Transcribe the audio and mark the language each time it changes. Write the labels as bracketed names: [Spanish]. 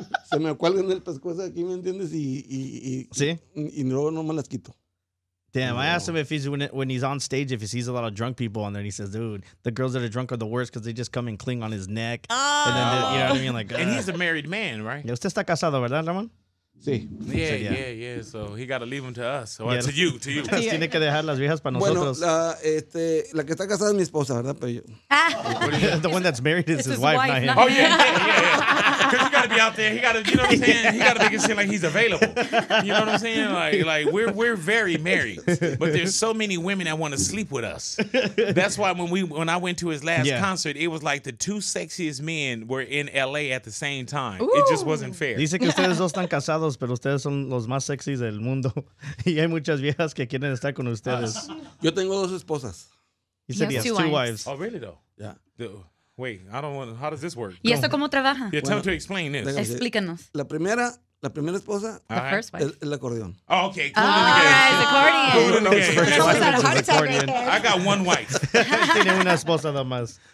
[Spanish] Se me cuelgan el pescuezo aquí, ¿me entiendes? Y luego no me las quito. [English] Damn, no. I asked him if he's when he's on stage, if he sees a lot of drunk people on there, and he says, dude, the girls that are drunk are the worst because they just come and cling on his neck. Oh. And then you know what I mean? Like, and he's a married man, right? [Spanish] Yeah, usted está casado, ¿verdad, Ramón? Sí. [English] Yeah. So he got to leave them to us. Or to you. [Spanish] Tiene que dejar las viejas para nosotros. Bueno, la que está casada es mi esposa, ¿verdad? Pero yo. [English] The one that's married is his wife, not him. Oh, yeah. Because he got to be out there. He got to, you know what I'm saying? He got to make it seem like he's available. You know what I'm saying? Like we're very married. But there's so many women that want to sleep with us. That's why when I went to his last concert, it was like the two sexiest men were in L.A. at the same time. Ooh. It just wasn't fair. [Spanish] Dice que ustedes dos están casados. Pero ustedes son los más sexys del mundo y hay muchas viejas que quieren estar con ustedes. Yo tengo dos esposas. [English] He said he has two wives. Oh, really though? Yeah. Wait, I don't want to, how does this work? [Spanish] ¿Y esto cómo trabaja? [English] Yeah, tell me to explain this. [Spanish] Explícanos. La primera esposa, el acordeón. [English] Oh, okay. Cool. [Spanish] Acordeón. [English] I got one wife. [Spanish] Tiene una esposa nada más.